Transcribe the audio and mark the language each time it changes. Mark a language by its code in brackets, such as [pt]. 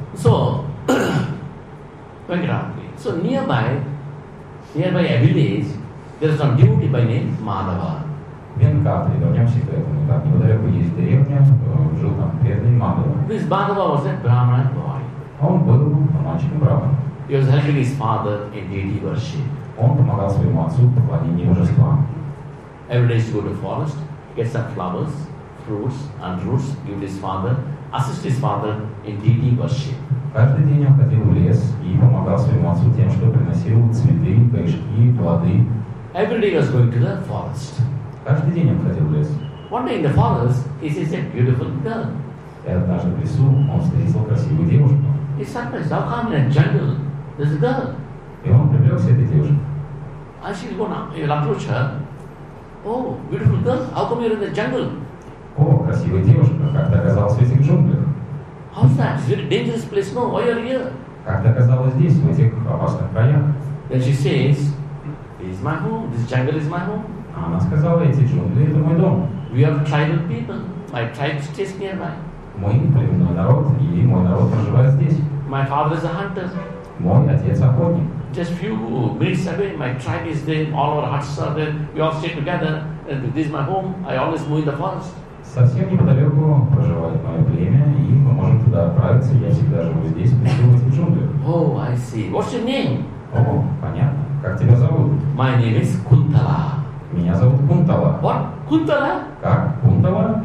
[en] So, Венкатадри. So nearby a village, there is a deity by name Madhava. [ru] Венкатадри, вернемся к этому. Так, неподалеку есть деревня, жил там преданный Мадхава. [en] This Madhava was a Brahmin boy. [ru] Он был мальчиком Брахман. [en] He was helping his father in deity worship. [ru] Он помогал своему отцу в поклонении божества. [en] Every day he would go to the forest, get some flowers, fruits and roots, give his father, assist his father in deity worship. [ru] Каждый день он ходил в лес и помогал своему отцу тем, что приносил цветы, корешки, плоды. [en] Every day he was going to the forest. [ru] Каждый день он ходил в лес. [en] One day in the forest, he sees a beautiful girl. [ru] И однажды в лесу он встретил красивую девушку. [en] He's surprised, how come in a jungle there's a girl? [ru] И он привлекся этой девушке. [en] And she's gonna, he'll approach her. Oh, beautiful girl, how come you're in the jungle? [ru] О, красивая девушка, как ты оказалась в этих джунглях? [en] How's that? It's a very dangerous place, no? Why are you here? [ru] Как ты оказалась здесь, в этих опасных краях? [en] Then she says, this is my home, this jungle is my home. [ru] А она сказала, эти джунгли, это мой дом. [en] We are tribal people, my tribe stays nearby. [ru] Мой племенной народ, и мой народ проживает здесь. [en] My father is a hunter. [ru] Мой отец охотник. [en] Just few minutes away, my tribe is there, all our huts are there, we all stay together, and this is my home, I always move in the forest. [ru] Совсем неподалеку проживает мое племя, и мы можем туда отправиться, я всегда живу здесь, присутствую в этих джунглях. [en] Oh, I see. What's your name? [ru] Oh, понятно. Как тебя зовут? [en] My name is Kuntala. [ru] Меня зовут Кунтала. [en] What? Кунтала? [ru] Как? Кунтала?